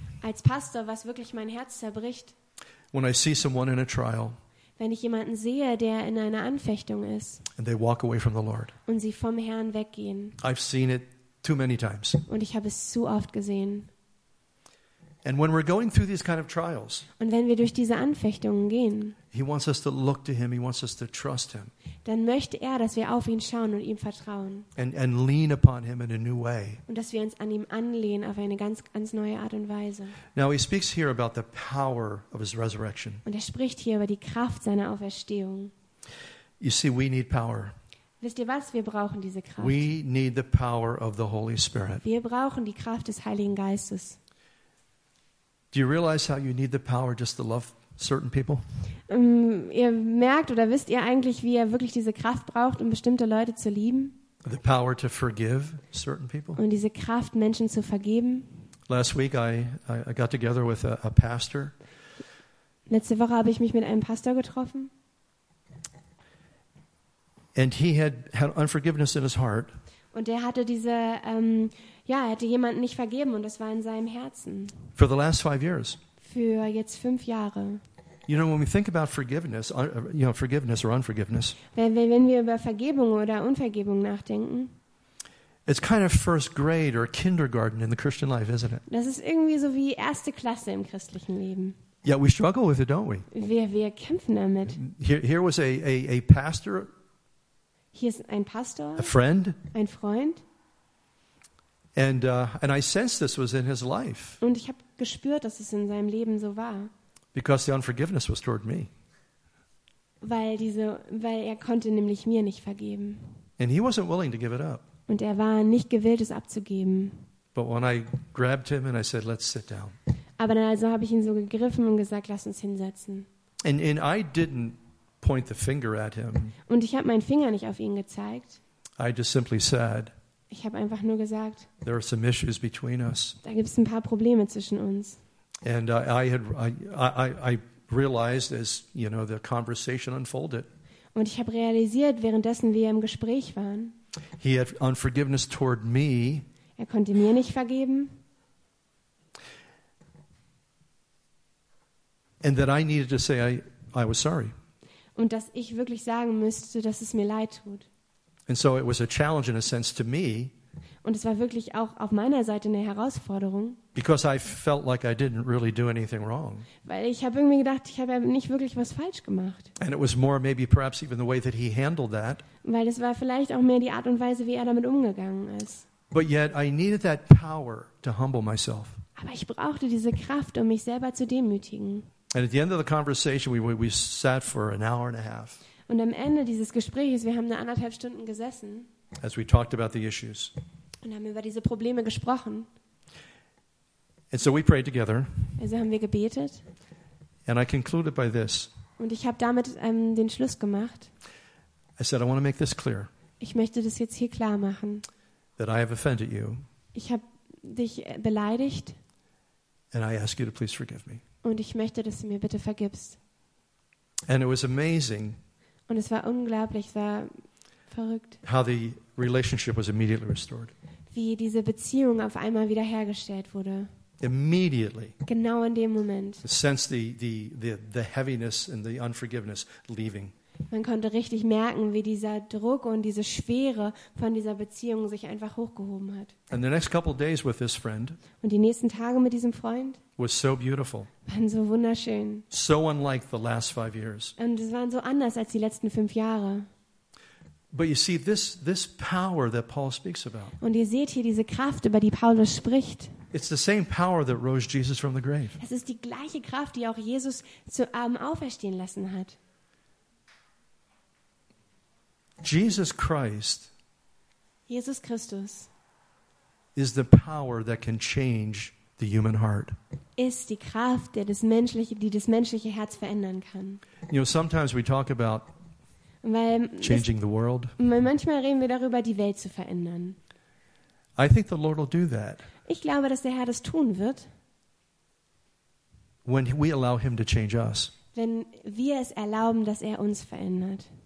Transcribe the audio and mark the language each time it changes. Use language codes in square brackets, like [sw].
[de] Als Pastor, was wirklich mein Herz zerbricht. [en] When I see someone in a trial, [de] wenn ich jemanden sehe, der in einer Anfechtung ist, [en] and they walk away from the Lord, [de] und sie vom Herrn weggehen, [en] I've seen it too many times, [de] und ich habe es zu oft gesehen. [en] And when we're going through these kind of trials, [de] und wenn wir durch diese Anfechtungen gehen, [en] he wants us to look to him, he wants us to trust him, [de] dann möchte er, dass wir auf ihn schauen und ihm vertrauen, [en] and lean upon him in a new way, [de] und dass wir uns an ihm anlehnen auf eine ganz ganz neue Art und Weise. [en] Now he speaks here about the power of his resurrection. [de] Und er spricht hier über die Kraft seiner Auferstehung. [en] You see, we need power. [de] Wisst ihr was? Wir brauchen diese Kraft. [en] We need the power of the Holy Spirit. [de] Wir brauchen die Kraft des Heiligen Geistes. [en] Do you realize how you need the power just to love certain people? [de] Ihr merkt oder wisst ihr eigentlich, wie ihr wirklich diese Kraft braucht, um bestimmte Leute zu lieben? [en] The power to forgive certain people. [de] Und diese Kraft, Menschen zu vergeben. [en] Last week I got together with a pastor. [de] Letzte Woche habe ich mich mit einem Pastor getroffen. [en] And he had unforgiveness in his heart. [de] Und er hatte diese er hatte jemanden nicht vergeben und das war in seinem Herzen. [en] For the last 5 years. [de] Für jetzt 5 Jahre. [en] You know, when we think about forgiveness, forgiveness or unforgiveness. [de] Wenn wir über Vergebung oder Unvergebung nachdenken. [en] It's kind of first grade or kindergarten in the Christian life, isn't it? [de] Das ist irgendwie so wie erste Klasse im christlichen Leben. [en] Yeah, we struggle with it, don't we? [de] Wir kämpfen damit. [en] Here was a pastor. [de] Hier ist ein Pastor. [en] A friend. [de] Ein Freund. [en] And I sensed this was in his life. [de] Und ich habe gespürt, dass es in seinem Leben so war. [en] Because the unforgiveness was toward me. [de] Weil er konnte nämlich mir nicht vergeben. [en] And he wasn't willing to give it up. [de] Und er war nicht gewillt, es abzugeben. [en] But when I grabbed him and I said, "Let's sit down." [de] Aber dann also habe ich ihn so gegriffen und gesagt, lass uns hinsetzen. [en] And I didn't point the finger at him. [de] Und ich habe meinen Finger nicht auf ihn gezeigt. [en] I just simply said. [de] Ich habe einfach nur gesagt. [en] There are some issues between us. [de] Da gibt es ein paar Probleme zwischen uns. [en] And I realized, as you know, the conversation unfolded. [de] Und ich habe realisiert, währenddessen wir im Gespräch waren. [en] He had unforgiveness toward me. [de] Er konnte mir nicht vergeben. [en] And that I needed to say I was sorry. [de] Und dass ich wirklich sagen müsste, dass es mir leid tut. [en] And so it was a challenge in a sense to me. [de] Und es war wirklich auch auf meiner Seite eine Herausforderung. [en] Because I felt like I didn't really do anything wrong. [de] Weil ich habe irgendwie gedacht, ich habe ja nicht wirklich was falsch gemacht. [en] And it was more maybe perhaps even the way that he handled that. [de] Weil es war vielleicht auch mehr die Art und Weise, wie er damit umgegangen ist. [en] But yet I needed that power to humble myself. [de] Aber ich brauchte diese Kraft, um mich selber zu demütigen. [en] And at the end of the conversation we sat for an hour and a half. [de] Und am Ende dieses Gesprächs, wir haben 1,5 Stunden gesessen. [en] As we talked about the issues. [de] Und haben über diese Probleme gesprochen. [en] And so we prayed together. [de] Also haben wir gebetet. [en] And I concluded by this. [de] Und ich habe damit den Schluss gemacht. [en] I said, I want to make this clear. [de] Ich möchte das jetzt hier klar machen. [en] That I have offended you. [de] Ich habe dich beleidigt. [en] And I ask you to please forgive me. [de] Und ich möchte, dass du mir bitte vergibst. [en] And it was amazing. [de] Und es war unglaublich, es war verrückt. [en] How the relationship was immediately restored. [de] Wie diese Beziehung auf einmal wiederhergestellt wurde. [en] Immediately. [de] Genau in dem Moment. [en] Sense the heaviness and the unforgiveness leaving. [de] Man konnte richtig merken, wie dieser Druck und diese Schwere von dieser Beziehung sich einfach hochgehoben hat. [en] And the next couple of days with this friend. [de] Und die nächsten Tage mit diesem Freund. [en] Was so beautiful. [de] Waren so wunderschön. [en] So unlike the last 5 years. [de] Und es waren so anders als die letzten 5 Jahre. [en] But you see this power that Paul speaks about. [de] Und ihr seht hier diese Kraft, über die Paulus spricht. [en] It's the same power that rose Jesus from the grave. [de] Es ist die gleiche Kraft, die auch Jesus zu auferstehen lassen hat. [en] Jesus Christ. [de] Jesus Christus. [en] Is the power that can change the human heart. [de] Ist die Kraft, die das menschliche Herz verändern kann. [en] You know, sometimes we talk about changing the world. [de] Manchmal reden wir darüber, die Welt zu verändern. [en] I think the Lord will do that. [de] Ich glaube, dass der Herr das tun wird. [en] When we allow him to change us. [de] Wenn wir es erlauben, dass er uns verändert.